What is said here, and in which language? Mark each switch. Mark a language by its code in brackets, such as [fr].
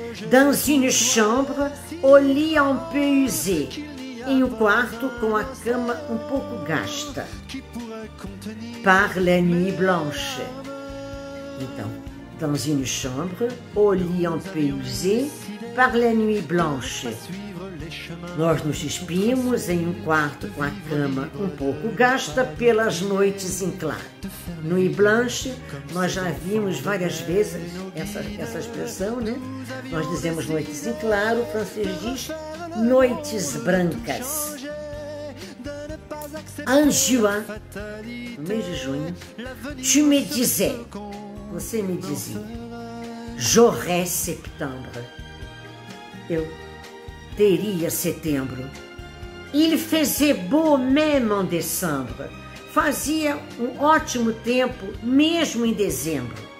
[fr] Dans une chambre au lit un peu usé. [pt] Em um quarto com a cama um pouco gasta. [fr] Par la nuit blanche. Então, dans une chambre au lit un peu usé. Par la nuit blanche. [pt] Nós nos despimos em um quarto com a cama um pouco gasta pelas noites em claro. Nuit blanche, nós já vimos várias vezes essa expressão, né? Nós dizemos noites em claro, o francês diz noites brancas. [fr] En juin, [pt] no mês de junho, [fr] tu me disais, [pt] você me dizia, [fr] j'aurais septembre. [pt] Eu teria setembro. [fr] Il faisait beau même en décembre. [pt] Fazia um ótimo tempo mesmo em dezembro.